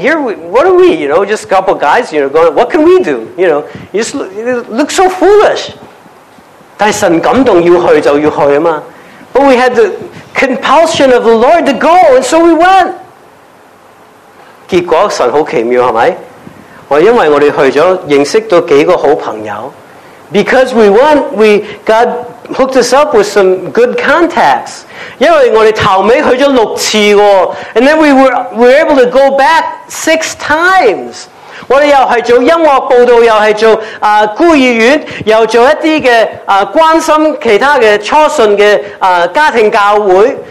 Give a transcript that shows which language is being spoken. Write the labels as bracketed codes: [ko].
[en] And here, what are we, you know, just a couple guys, you know, going, what can we do? You know, you just look so foolish. [yue] 但神感動要去就要去嘛。 [en] But we had the compulsion of the Lord to go, and so we went. [yue] 結果神好奇妙，係咪？我因為我哋去咗，認識到幾個好朋友。 [en] Because we went, we God hooked us up with some good contacts. [yue] 因為我哋頭尾去咗六次喎 ， [en] and then we were able to go back 6 times. [yue] 我哋又係做音樂報道，又係做孤兒院，又做一啲嘅關心其他嘅初信嘅家庭教會。